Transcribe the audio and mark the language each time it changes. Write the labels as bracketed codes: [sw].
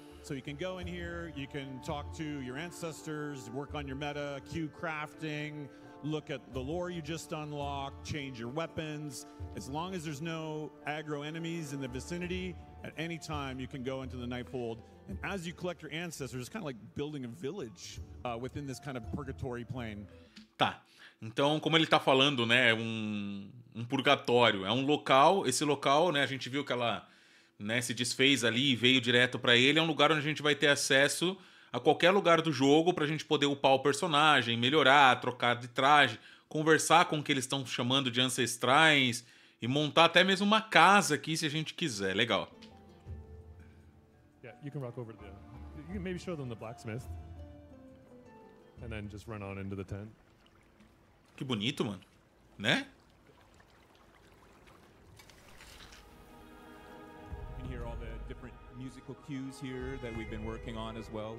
[en] So you can go in here, you can talk to your ancestors, work on your meta, queue crafting, look at the lore you just unlocked, change your weapons. As long as there's no aggro enemies in the vicinity, at any time you can go into the Nightfold. And as you collect your ancestors, it's kind of like building a village within this kind of purgatory plane. [pt] Tá. Então, como ele tá falando, né, é um purgatório. É um local, esse local, né, a gente viu que ela, né, se desfez ali e veio direto pra ele. É um lugar onde a gente vai ter acesso a qualquer lugar do jogo pra gente poder upar o personagem, melhorar, trocar de traje, conversar com o que eles estão chamando de ancestrais e montar até mesmo uma casa aqui se a gente quiser. Legal. [en] Yeah, you can rock over there. You can maybe show them the blacksmith. And then just run on into the tent. [pt] Que bonito, mano. Né? [en] You can hear all the different musical cues here that we've been working on as well.